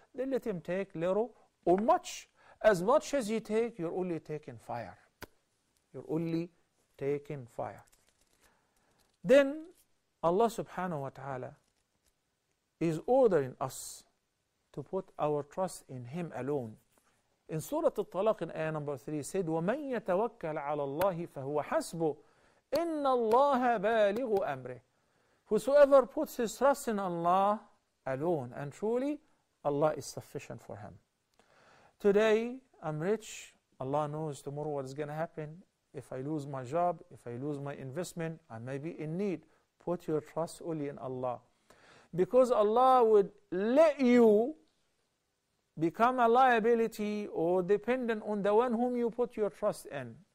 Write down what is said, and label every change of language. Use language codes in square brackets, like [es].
[en] Then let him take little or much. As much as you take, you're only taking fire. You're only taking fire. Then Allah subhanahu wa ta'ala is ordering us to put our trust in Him alone. In Surah At-Talaq, in ayah number 3, said, [ar] وَمَنْ يَتَوَكَّلْ عَلَى اللَّهِ فَهُوَ حَسْبُهُ إِنَّ اللَّهَ بَالِغُ أَمْرِهِ. [en] Whosoever puts his trust in Allah alone, and truly, Allah is sufficient for him. Today, I'm rich. Allah knows tomorrow what is going to happen. If I lose my job, if I lose my investment, I may be in need. Put your trust only in Allah. Because Allah would let you become a liability or dependent on the one whom you put your trust in.